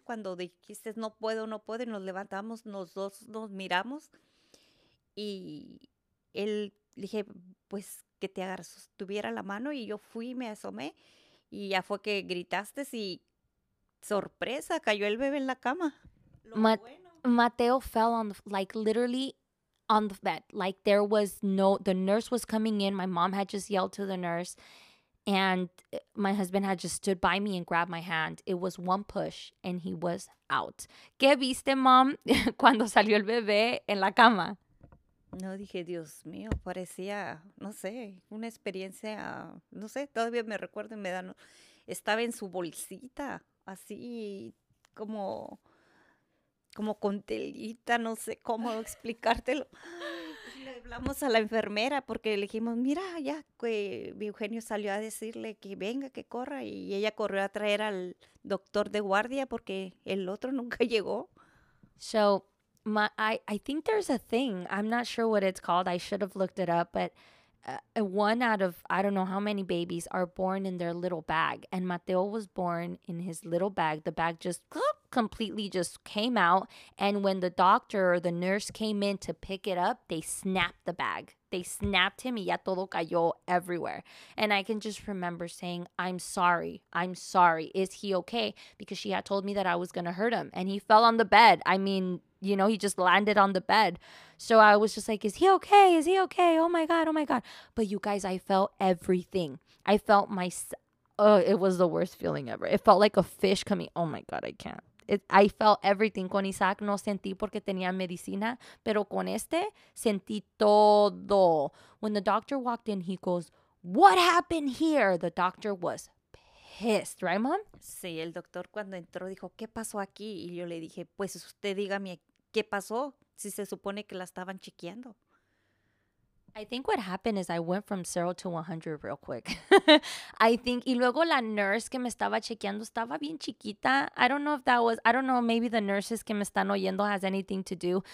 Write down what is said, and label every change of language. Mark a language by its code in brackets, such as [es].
[es] Cuando dijiste, no puedo, no puedo, y nos levantamos, los dos nos miramos. Y él, dije, pues que te agarras, tuviera la mano. Y yo fui, me asomé, y ya fue que gritaste, y sorpresa, cayó el bebé en la cama. [en] Mateo fell on the, like, literally on the bed. Like, there was no, the nurse was coming in. My mom had just yelled to the nurse. And my husband had just stood by me and grabbed my hand. It was one push and he was out. [es] ¿Qué viste, mom, cuando salió el bebé en la cama? No, dije, Dios mío, parecía, no sé, una experiencia, no sé, todavía me recuerdo y me dan, estaba en su bolsita. Así como con telita, no sé cómo explicártelo. Le hablamos a la enfermera porque le dijimos, mira, ya que Eugenio salió a decirle que venga, que corra. Y ella corrió a traer al doctor de guardia porque el otro nunca llegó. [en] So, I think there's a thing. I'm not sure what it's called. I should have looked it up, but one out of I don't know how many babies are born in their little bag, and Mateo was born in his little bag. The bag just completely just came out, and when the doctor or the nurse came in to pick it up, they snapped the bag. They snapped him, [es] y ya todo cayó [en] everywhere. And I can just remember saying, I'm sorry, is he okay? Because she had told me that I was gonna hurt him, and he fell on the bed. I mean, you know, he just landed on the bed. So I was just like, is he okay? Oh my God. But you guys, I felt everything. I felt my, it was the worst feeling ever. It felt like a fish coming. Oh my God, I can't. I felt everything. [es] Con Isaac no sentí porque tenía medicina, pero con este sentí todo. [en] When the doctor walked in, he goes, what happened here? The doctor was pissed, right, mom? [es] Sí, el doctor cuando entró dijo, ¿qué pasó aquí? Y yo le dije, pues usted dígame, ¿qué pasó? Si se supone que la estaban chequeando. [en] I think what happened is I went from 0 to 100 real quick. I think, [es] y luego la nurse que me estaba chequeando estaba bien chiquita. [en] I don't know, maybe the nurses [es] que me están oyendo [en] has anything to do.